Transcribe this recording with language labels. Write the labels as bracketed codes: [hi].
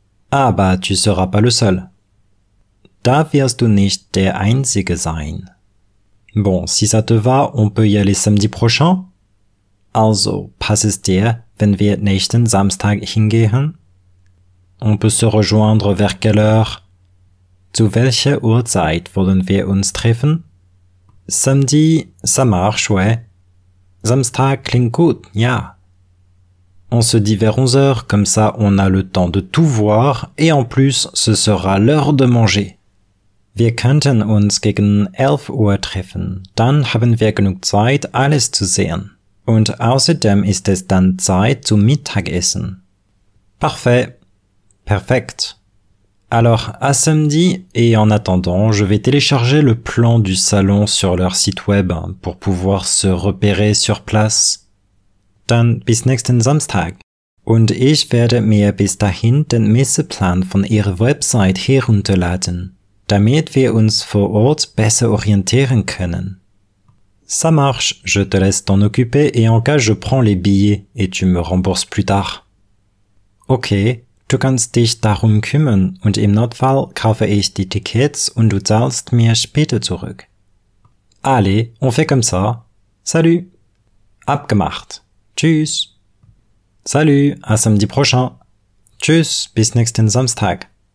[fr] Ah bah, tu seras pas le seul. [de] Da wirst du nicht der Einzige sein. [fr] Bon, si ça te va, on peut y aller samedi prochain? [de] Also, passt es dir, wenn wir nächsten Samstag hingehen? [fr] On peut se rejoindre vers quelle heure? [de] Zu welcher Uhrzeit wollen wir uns treffen? [fr] Samedi, ça marche, ouais. [de] Samstag klingt gut, ja. [fr] On se dit vers 11h, comme ça on a le temps de tout voir et en plus ce sera l'heure de manger. [de] Wir könnten uns gegen 11 Uhr treffen, dann haben wir genug Zeit, alles zu sehen. Und außerdem ist es dann Zeit zum Mittagessen. [fr] Parfait. [de] Perfekt. [fr] Alors, à samedi, et en attendant, je vais télécharger le plan du salon sur leur site web pour pouvoir se repérer sur place. [de] Dann bis nächsten Samstag. Und ich werde mir bis dahin den Messeplan von ihrer Website herunterladen, damit wir uns vor Ort besser orientieren können. [fr] Ça marche, je te laisse t'en occuper et en cas je prends les billets et tu me rembourses plus tard. [de] Ok, du kannst dich darum kümmern und im Notfall kaufe ich die Tickets und du zahlst mir später zurück. [fr] Allez, on fait comme ça. Salut. [de] Abgemacht. Tschüss. [fr] Salut, à samedi prochain. [de] Tschüss, bis nächsten Samstag.